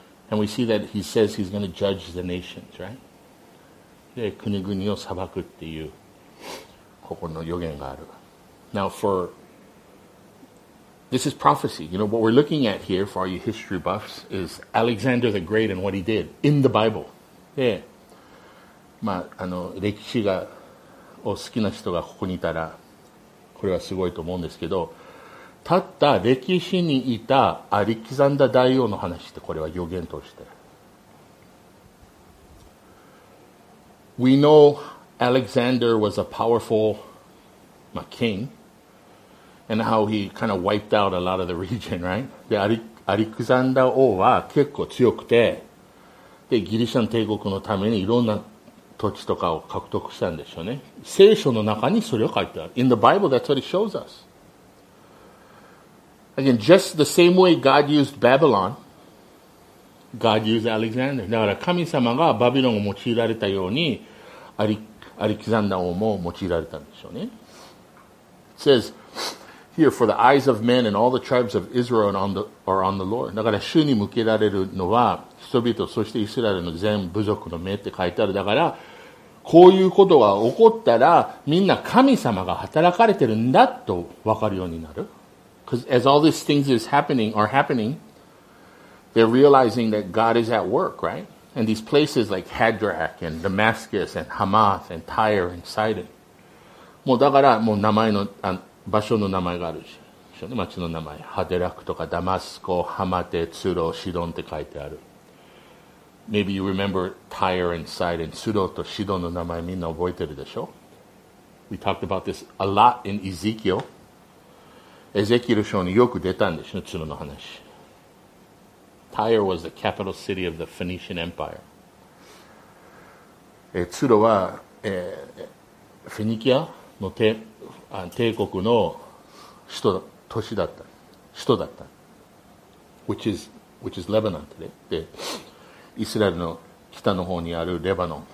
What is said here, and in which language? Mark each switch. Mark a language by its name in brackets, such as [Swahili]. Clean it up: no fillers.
[English] And we see that He says He's going to judge the nations, right? [Japanese] で、国々を裁くっていう、ここの予言がある。 [English] Now for, this is prophecy. You know, what we're looking at here, for all you history buffs, is Alexander the Great and what he did in the Bible. [Japanese] で、まあ、あの、歴史が、を好きな人がここにいたら、これはすごいと思うんですけど、たった歴史にいたアレキサンダー大王の話ってこれは予言として。 [English] We know Alexander was a powerful king. And how he kind of wiped out a lot of the region, right? [Japanese] で、アレクサンダー王は結構強くて、で、ギリシャの帝国のためにいろんな土地とかを獲得したんでしょうね。聖書の中にそれを書いてある。 [English] In the Bible, that's what it shows us. Again, just the same way God used Babylon, God used Alexander. [Japanese] だから神様がバビロンを用いられたように、アレクサンダー王も用いられたんでしょうね。 [English] It says,Here, for the eyes of men and all the tribes of Israel are on the Lord. [Japanese] だから主に向けられるのは人々そしてイスラエルの全部族の目って書いてある。だからこういうことが起こったらみんな神様が働かれてるんだと分かるようになる。 [English] Because as all these things are happening, they're realizing that God is at work, right? And these places like Hadrach and Damascus and Hamath and Tyre and Sidon. [Japanese] もうだからもう名前の場所の名前があるし、町の名前、ハデラクとかダマスコ、ハマテ、ツロ、シドンって書いてある。 [English] Maybe you remember Tyre and Sidon, [Japanese] ツロとシドンの名前みんな覚えてるでしょ [English] ?We talked about this a lot in Ezekiel. [Japanese] エゼキエル書によく出たんでしょ、ツロの話。 [English] Tyre was the capital city of the Phoenician Empire. [Japanese] ツロは、フェニキアの手。帝国の首都、都市だった。首都だった。 [English] which is Lebanon today. [Japanese] で、イスラエルの北の方にあるレバノン。